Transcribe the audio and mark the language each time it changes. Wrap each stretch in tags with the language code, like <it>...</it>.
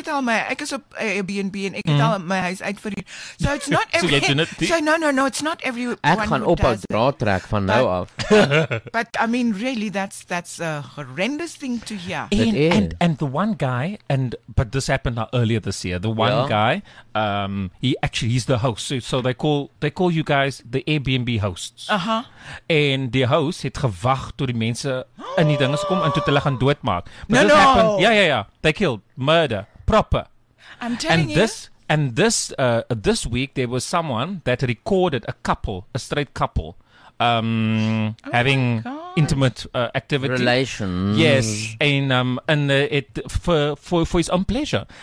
<af>Ek is op Airbnb en ek het al my huis uitverhuur.</af> <en>So it's not it's not everyone.</en> <af>Ek gaan ophou draad trek van nou af.</af> <en>But I mean really that's a horrendous thing to hear. And the one guy but this happened earlier this year. The one guy he's the host. So they call you guys the Airbnb hosts. Uh-huh.</en> <af>En die host het gewag tot die mense in die dinges kom en tot hulle gaan doodmaak.</af> <en>But no. They killed. Murder. Proper. I'm telling you. And this week there was someone that recorded a couple, a straight couple, having intimate activity. Relations. Yes. For his own pleasure.</en>